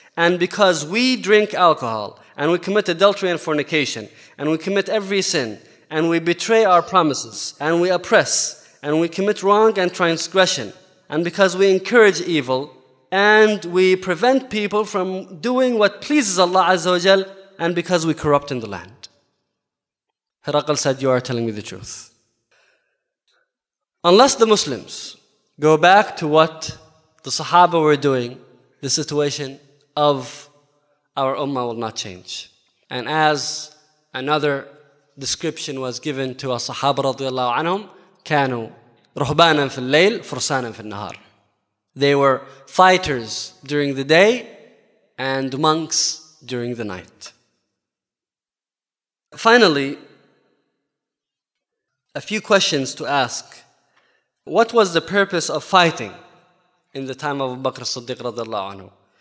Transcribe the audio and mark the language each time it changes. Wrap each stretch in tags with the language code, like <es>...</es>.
<en>And because we drink alcohol and we commit adultery and fornication and we commit every sin and we betray our promises and we oppress and we commit wrong and transgression and because we encourage evil and we prevent people from doing what pleases Allah Azza wa Jal, and because we corrupt in the land." Hiraql said, "You are telling me the truth." Unless the Muslims go back to what the Sahaba were doing, the situation of our Ummah will not change. And as another description was given to a Sahaba رضي الله عنهم,</en> <ar>كانوا رهبانا في الليل فرسانا في النهار.</ar> <en>They were fighters during the day and monks during the night. Finally, a few questions to ask. What was the purpose of fighting in the time of Abu Bakr as-Siddiq radiallahu anhu?</en>